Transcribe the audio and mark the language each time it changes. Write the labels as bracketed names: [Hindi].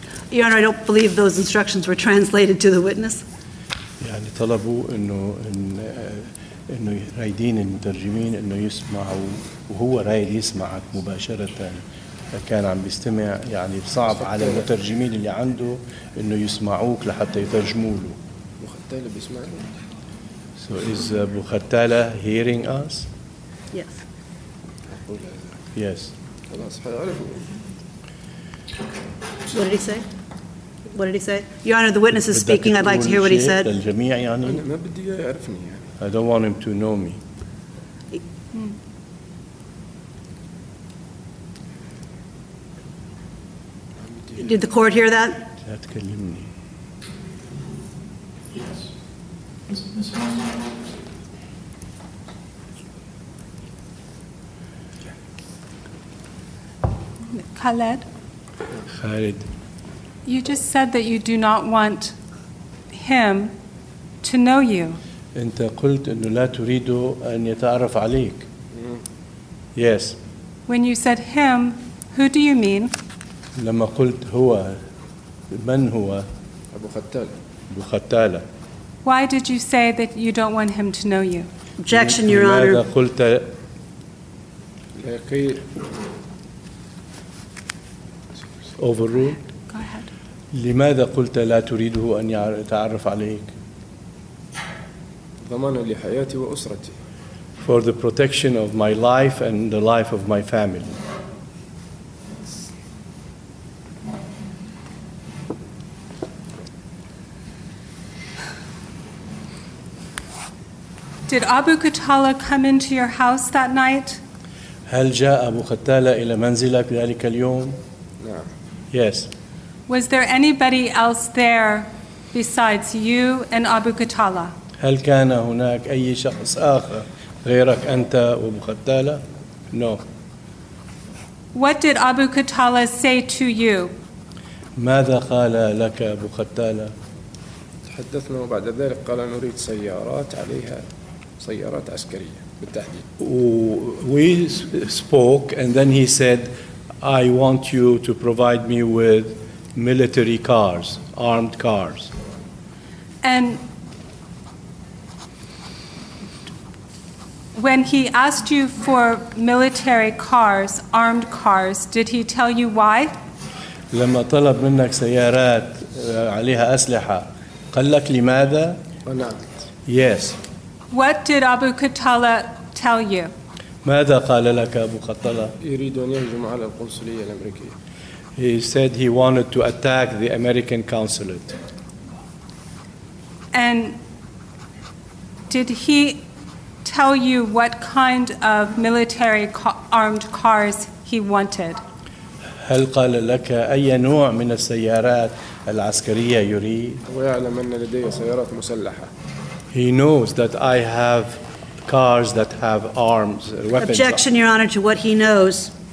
[English] Your Honor, I don't believe those instructions were translated to the witness. [Arabic] يعني طلبوا إنه رايدين المترجمين إنه يسمع وهو رايد يسمعك مباشرة. كان عم بيستمع يعني صعب على المترجمين اللي عنده إنه يسمعوك لحتى يترجموا له. أبو قتالة بيسمعني. [English] So is Abu Qatala hearing us? Yes. Yes. [Arabic] خلاص [English] What did he say? What did he say? Your Honor, the witness is speaking. I'd like to hear what he said. I don't want him to know me. Hmm. Did the court hear that? Yes. Khaled? Khaled. You just said that you do not want him to know you. [Arabic] أنت قلت أنه لا تريد أن يتعرف عليك. [English] Yes. When you said him, who do you mean? [Arabic] لما قلت هو, من هو؟ أبو ختالة. أبو ختالة. [English] Why did you say that you don't want him to know you? Objection, Your Honor. [Arabic] لماذا قلت؟ لكي [English] overrule. Go ahead. [Arabic] لماذا قلت لا تريده أن يتعرف عليك؟ ضمانا لحياتي وأسرتي. [English] For the protection of my life and the life of my family. Did Abu Ghatala come into your house that night? [Arabic] هل جاء أبو ختالة إلى منزلك ذلك اليوم؟ نعم. [English] Yes. Was there anybody else there besides you and Abu Ghatala? [Arabic] هل كان هناك أي شخص آخر غيرك أنت وأبو ختالة؟ [English] No. What did Abu Ghatala say to you? [Arabic] ماذا قال لك أبو ختالة؟ تحدثنا وبعد ذلك قال نريد سيارات عليها سيارات عسكرية بالتحديد. [English] We spoke and then he said, I want you to provide me with military cars, armed cars. And when he asked you for military cars, armed cars, did he tell you why? [Arabic] لما طلب منك سيارات عليها أسلحة قال لك لماذا؟ [English] Yes. What did Abu Ghatala tell you? [Arabic] ماذا قال لك أبو ختالة؟ يريد أن يهجم على القنصلية الأمريكية. [English] He said he wanted to attack the American consulate. And did he tell you what kind of military armed cars he wanted? [Arabic] هل قال لك أي نوع من السيارات العسكرية يريد؟ ويعلم أن لدي سيارات مسلحة. [English] He knows that I have cars that have arms, weapons. Objection, Your Honor, to what he knows.